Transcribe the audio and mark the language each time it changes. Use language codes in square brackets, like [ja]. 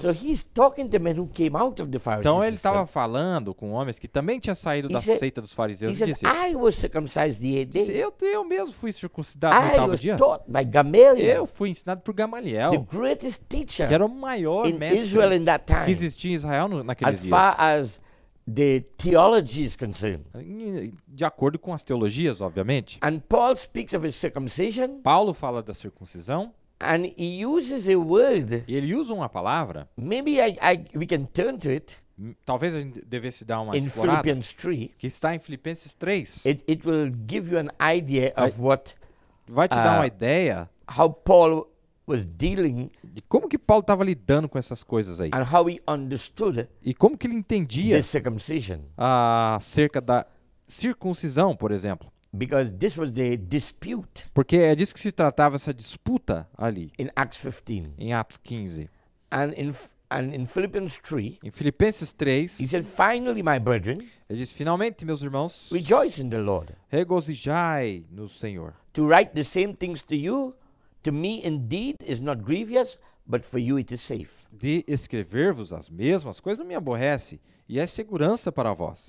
[en] So he's talking to men who came out of the Pharisees. [pt] Então ele estava falando com homens que também tinham saído da seita dos fariseus. [en] He says, I was circumcised the eighth day. [pt] Disse, eu mesmo fui circuncidado no oitavo dia. [en] I was taught by Gamaliel. [pt] Eu fui ensinado por Gamaliel. [en] The greatest teacher. [pt] Que era o maior mestre [en] Israel in that time, [pt] que existia em Israel naqueles [en] as far [pt] dias. [en] As the theology is concerned. [pt] De acordo com as teologias, obviamente. [en] And Paul speaks of his circumcision. [pt] Paulo fala da circuncisão. [en] And he uses a word. [pt] Ele usa uma palavra. [en] Maybe we can turn to it. [pt] Talvez a gente devesse dar uma [en] in [pt] explorada. [en] In Philippians 3. [pt] Que está em Filipenses 3. [en] It will give you an idea of what. [pt] Vai te dar uma ideia. [en] How Paul was dealing. [pt] De como que Paulo estava lidando com essas coisas aí. [en] And how he understood. [pt] E como que ele entendia. [en] The circumcision. [pt] Acerca da circuncisão, por exemplo. [en] Because this was the dispute. [pt] Porque é disso que se tratava essa disputa ali. [en] In Acts 15. [pt] Em Atos 15. [en] And in Philippians 3. [pt] Em Filipenses 3. [en] He said, "Finally, my brethren." [pt] Ele disse, finalmente, meus irmãos. [en] Rejoice in the Lord. [pt] Regozijai no Senhor. [en] To write the same things to you, to me indeed is not grievous, but for you it is safe. [pt] De escrever-vos as mesmas coisas não me aborrece e é segurança para vós.